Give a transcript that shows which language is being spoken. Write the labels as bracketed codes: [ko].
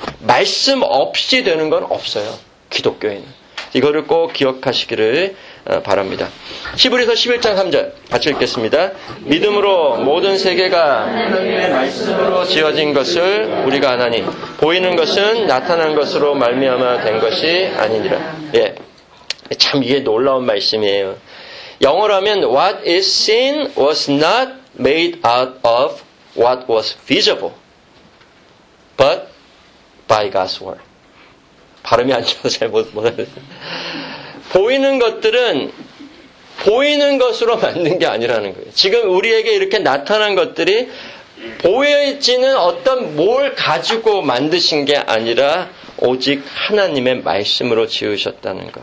[ko] 말씀 없이 되는 건 없어요. 기독교인은 이거를 꼭 기억하시기를 바랍니다. 히브리서 11장 3절 같이 읽겠습니다. 믿음으로 모든 세계가 하나님의 말씀으로 지어진 것을 우리가 아나니 보이는 것은 나타난 것으로 말미암아 된 것이 아니니라. 예, 참 이게 놀라운 말씀이에요. 영어로 하면 [en] What is seen was not made out of what was visible but by God's word. [ko] 발음이 안 좋아서 잘 못하겠어요. 보이는 것들은 보이는 것으로 만든 게 아니라는 거예요. 지금 우리에게 이렇게 나타난 것들이 보여지는 어떤 뭘 가지고 만드신 게 아니라 오직 하나님의 말씀으로 지으셨다는 거.